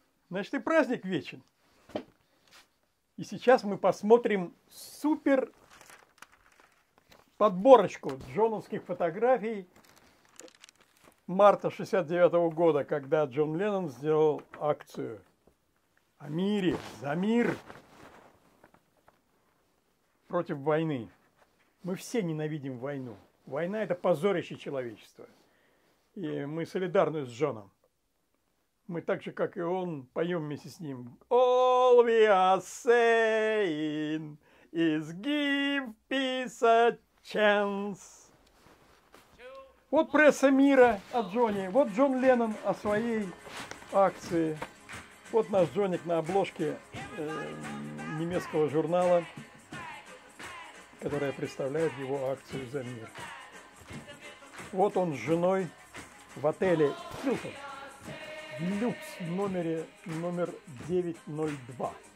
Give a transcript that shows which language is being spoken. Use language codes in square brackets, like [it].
[ru] Значит, и праздник вечен. И сейчас мы посмотрим супер подборочку джоновских фотографий марта 69 года, когда Джон Леннон сделал акцию о мире, за мир, против войны. Мы все ненавидим войну. Война – это позорище человечества. И мы солидарны с Джоном. Мы так же, как и он, поем вместе с ним. [en] All we are saying is give peace a chance. [ru] Вот пресса мира о Джоне. Вот Джон Леннон о своей акции. Вот наш Джоник на обложке немецкого журнала, которая представляет его акцию «За мир». Вот он с женой в отеле «Хилтон». Люкс номере номер 902.